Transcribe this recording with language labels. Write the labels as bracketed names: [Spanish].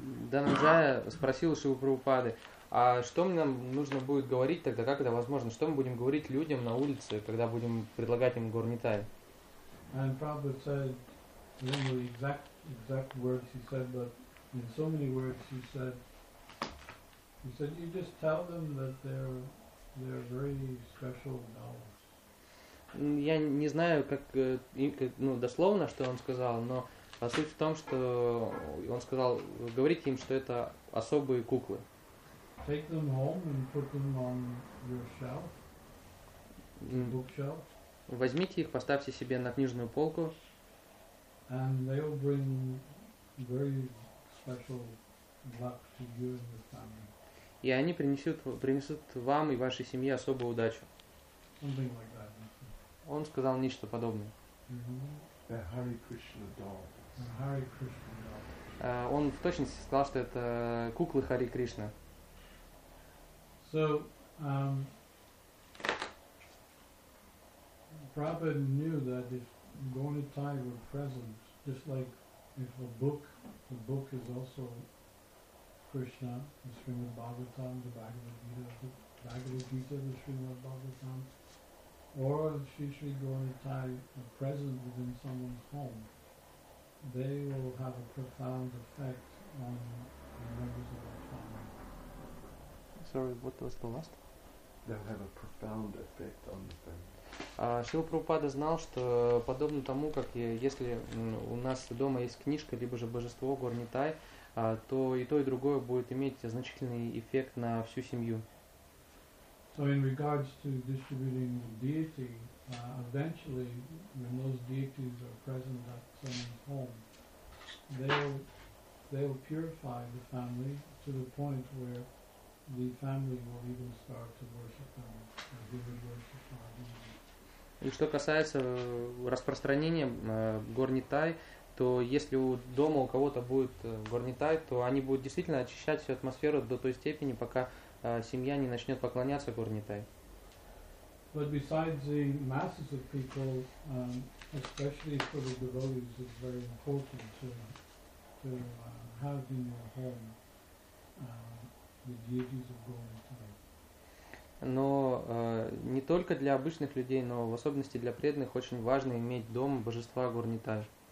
[Russian] Dhananjaya спросил Шрилу Прабхупады, а что нам нужно будет говорить тогда, как это возможно? Что мы будем говорить людям на улице, когда будем предлагать им Горни Тай? [English] And Prabhupada said, I don't know the exact words he said, but in so many words he said, He said, you just tell them that they're very special dolls. [Russian] Я не знаю, как, ну, дословно, что он сказал, но суть в том, что он сказал, говорите им, что это особые куклы. [English] Take them home and put them on your shelf, bookshelf. [Russian] Возьмите их, поставьте себе на книжную полку. [English] And they will bring very special luck to you and your family. [Russian] И они принесут вам и вашей семье особую удачу. [English] Something like that. [Russian] Он сказал нечто подобное. [English] The Hare Krishna doll. Hare Krishna doll. [Russian] Он в точности сказал, что это куклы Хари Кришна. [English] So, Prabhupada knew that if Gaudiya were present, just like if a book is also Krishna, the Srimad Bhagavatam, the Bhagavad Gita, the Srimad Bhagavatam, or Sri Sri Gaudiya are present within someone's home, they will have a profound effect on the members of their family. Sorry, what was the last? They'll have a profound effect on the family. [Russian] Шрила Прабхупада знал, что подобно тому, как если у нас дома есть книжка, либо же божество Горнитай, то и другое будет иметь значительный эффект на всю семью. [English] So in regards to distributing the deity, eventually when those deities are present at someone's home, they'll purify the family to the point where the family will even start to worship them, or they will worship them. [Russian] И что касается распространения горнитай, то если у дома у кого-то будет горнитай, то они будут действительно очищать всю атмосферу до той степени, пока семья не начнет поклоняться горнитай. [English] But besides the masses of people, especially for the devotees, it's very important to have in your home the deities of Gornitai. [Russian] Но не только для обычных людей, но в особенности для преданных очень важно иметь дом божества Горнитай.